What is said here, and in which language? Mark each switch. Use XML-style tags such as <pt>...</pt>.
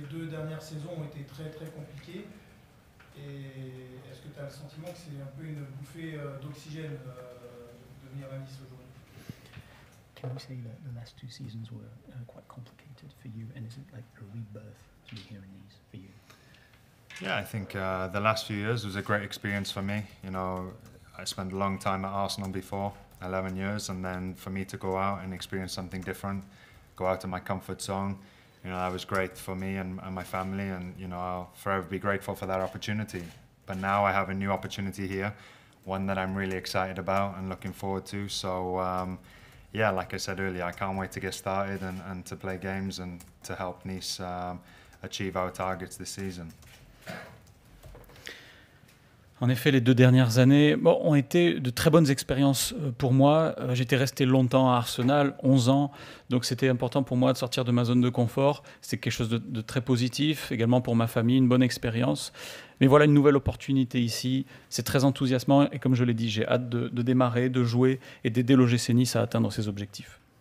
<fr>Dernières saisons ont été très très compliquées, et est-ce que tu as le sentiment que c'est un peu une bouffée d'oxygène de venir à Nice aujourd'hui?</fr> <en>Can you say that the last two seasons were quite complicated for you, and is it like a rebirth to be here in Nice for you? Yeah, I think the last few years was a great experience for me. You know, I spent a long time at Arsenal before, 11 years, and then for me to go out and experience something different, go out of my comfort zone, you know, that was great for me and my family, and you know, I'll forever be grateful for that opportunity. But now I have a new opportunity here, one that I'm really excited about and looking forward to. So yeah, like I said earlier, I can't wait to get started and to play games and to help Nice achieve our targets this season.</en> <fr>En effet, les deux dernières années ont été de très bonnes expériences pour moi. J'étais resté longtemps à Arsenal, 11 ans, donc c'était important pour moi de sortir de ma zone de confort. C'était quelque chose de très positif, également pour ma famille, une bonne expérience. Mais voilà une nouvelle opportunité ici. C'est très enthousiasmant et comme je l'ai dit, j'ai hâte de démarrer, de jouer et d'aider l'OGC Nice à atteindre ses objectifs.</fr>